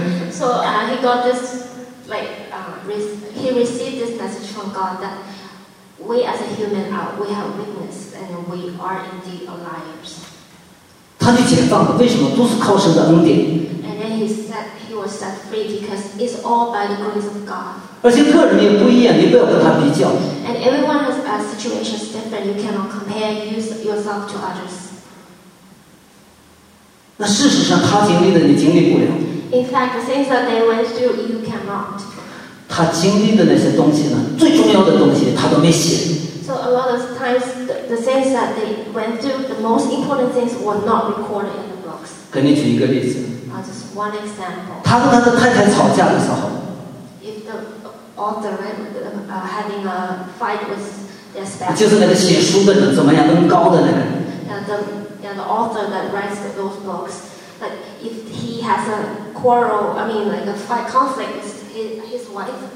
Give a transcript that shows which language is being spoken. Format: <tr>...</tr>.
<en>So he got this, like, he received this message from God that we as a human are, we have weakness and we are indeed a liars.</en> <zh>他就解放了，为什么？都是靠神的恩典。</zh> <en>And then he said he was set free because it's all by the grace of God.</en> <zh>而且个人也不一样，你不要跟他比较。</zh> <en>And everyone's situation is different. You cannot compare yourself to others.</en> <zh>那事实上，他经历的你经历不了。</zh> <en>In fact, the things that they went through, you cannot.</en> <zh>他经历的那些东西呢，最重要的东西他都没写。</zh> <en>So a lot of times, the things that they went through, the most important things were not recorded in the books.</en> <zh>给你举一个例子。</zh> <en>Just one example.</en> <zh>他跟他的太太吵架的时候。</zh> <en>If the author having a fight with their spouse.</en> <zh>就是那个写书的人，怎么样，那么高的那个。</zh> <en>The author that writes those books, like if he has a quarrel, I mean, like a fight, conflict with his wife.</en>